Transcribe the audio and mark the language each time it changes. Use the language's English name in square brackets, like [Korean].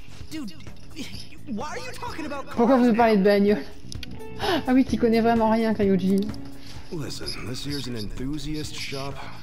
[English] Dude, why are you talking about cars? [French] Pourquoi vous parlez de bagnole? Ah oui, tu connais vraiment rien, Kayuji. [English] Listen, this here's an enthusiast shop.